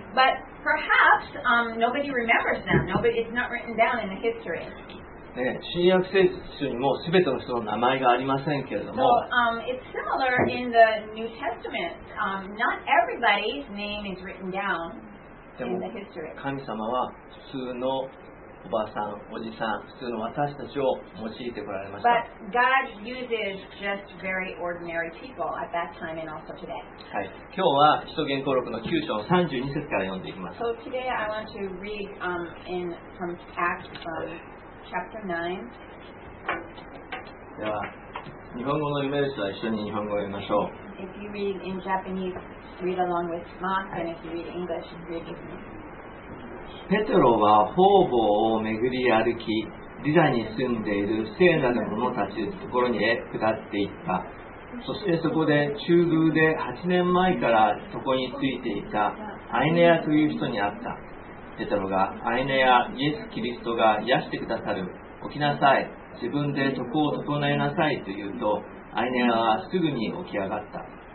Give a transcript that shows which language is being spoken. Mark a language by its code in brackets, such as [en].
[en] ButPerhaps, nobody remembers them. Nobody, it's not written down in the history. [ja] 新約聖書にも全ての人の名前がありませんけれども。 [en] So, it's similar in the New Testament. Not everybody's name is written down in the history. [ja] 神様は普通のおばさん、おじさん、普通の私たちを用いてこられました。 [en] But God uses just very ordinary people at that time and also today. [ja] はい、今日は使徒言行録の9章32節から読んでいきます。 [en] So today I want to read in from Acts chapter 9. [ja] では、日本語の読める人は一緒に日本語を読みましょう。 [en] If you read in Japanese, read along with Mark, and if you read English, read with me. [ja] ペテロは方々を巡り歩き、リダに住んでいる聖なる者たちのところに下っていった。そしてそこで中宮で8年前からそこについていたアイネアという人に会った。ペテロがアイネア、イエス・キリストが癒してくださる、起きなさい、自分で床を整えなさいと言うと、アイネアはすぐに起き上がった。